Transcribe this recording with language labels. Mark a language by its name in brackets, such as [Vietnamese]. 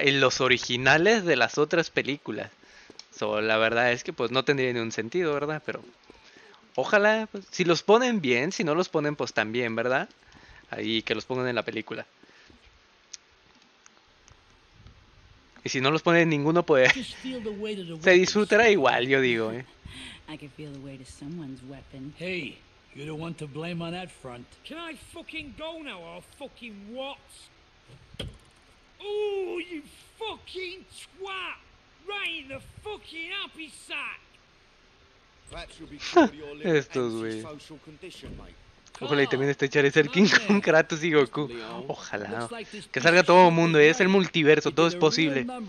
[Spanish] En los originales de las otras películas. So, la verdad es que pues no tendría ningún sentido, ¿verdad? Pero ojalá, pues, si los ponen bien, si no los ponen pues también, ¿verdad? Ahí que los pongan en la película. Y si no los ponen ninguno, pues se disfrutará igual, yo digo, [English] I can feel the weight of someone's weapon. Hey, you're the one to blame on that front. Can I fucking go now or fucking what? Ooh, you fucking twat! Right in the fucking happy sack! That should be part of your living social condition, mate. [Spanish] Ojalá y también esté Charizard King con Kratos y Goku. Ojalá. No. Que salga todo el mundo, es el multiverso, todo es posible.